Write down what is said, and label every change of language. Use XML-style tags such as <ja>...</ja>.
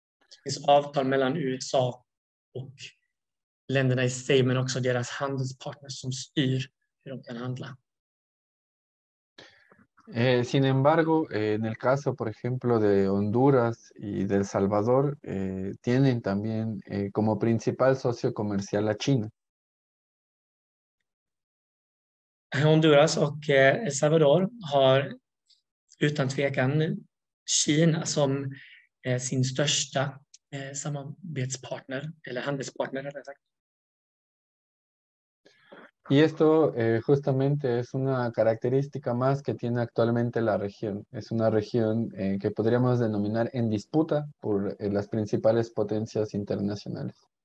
<sv>Det finns avtal mellan USA och länderna i sig men också deras handelspartners som styr hur de kan handla.</sv> <es>Sin embargo, en el caso, por ejemplo, de Honduras y de El Salvador, tienen también como principal socio comercial a China.</es> <sv>Honduras och El Salvador har utan tvekan Kina som sin största samarbetspartner, eller handelspartner, rättare sagt.</sv> <es>Y esto justamente es una característica más que tiene actualmente la región. Es una región que podríamos denominar en disputa por las principales potencias internacionales.</es>